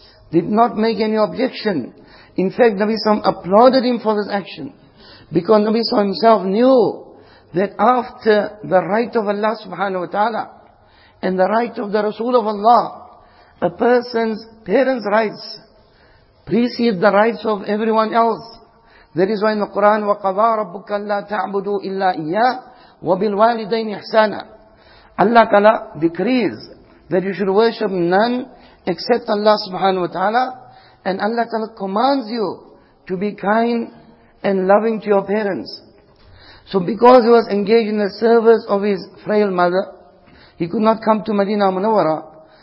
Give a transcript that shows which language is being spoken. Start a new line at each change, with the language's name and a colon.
English: Did not make any objection. In fact, Nabi sallallahu alaihi wasallam applauded him for this action. Because Nabi sallallahu alaihi wasallam himself knew that after the right of Allah subhanahu wa ta'ala and the right of the Rasul of Allah, a person's parents' rights precede the rights of everyone else. That is why in the Quran,
Arabic: وَقَضَى رَبُّكَ اللَّا تَعْبُدُوا إِلَّا إِيَّا وَبِالْوَالِدَيْنِ إِحْسَانًا.
English: Allah Ta'ala decrees that you should worship none except Allah subhanahu wa ta'ala, and Allah Ta'ala commands you to be kind and loving to your parents. So because he was engaged in the service of his frail mother, he could not come to Medina Munawwara.